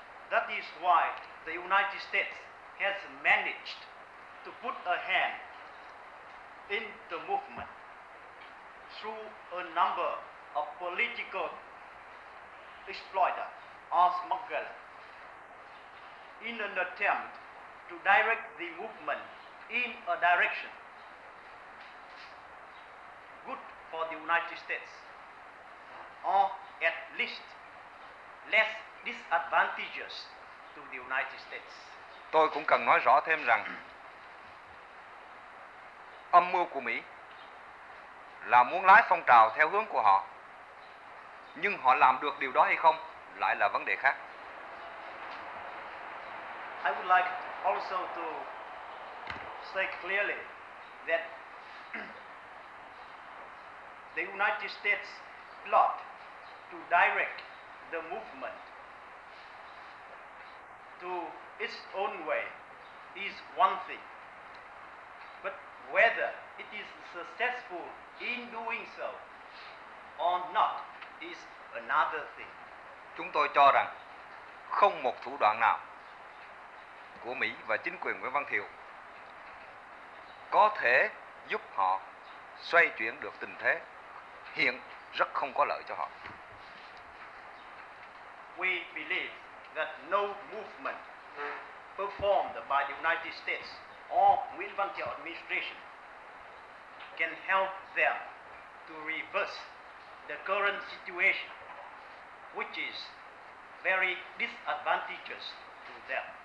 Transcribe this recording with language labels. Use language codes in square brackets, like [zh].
[en] That is why the United States has managed to put a hand in the movement through a number of political exploiters or smugglers in an attempt to direct the movement in a direction good for the United States, or at least less disadvantageous to the United States. [vi] Tôi cũng cần nói rõ thêm rằng âm mưu của Mỹ là muốn lái phong trào theo hướng của họ, nhưng họ làm được điều đó hay không lại là vấn đề khác. [en] I would like also to say clearly that the United States plot to direct the movement to its own way is one thing, but whether it is successful in doing so or not is another thing. [vi] Chúng tôi cho rằng không một thủ đoạn nào của Mỹ và chính quyền Nguyễn Văn Thiệu có thể giúp họ xoay chuyển được tình thế hiện rất không có lợi cho họ. [en] We believe that no movement performed by the United States or Nguyễn Văn Thiệu administration can help them to reverse the current situation, which is very disadvantageous to them.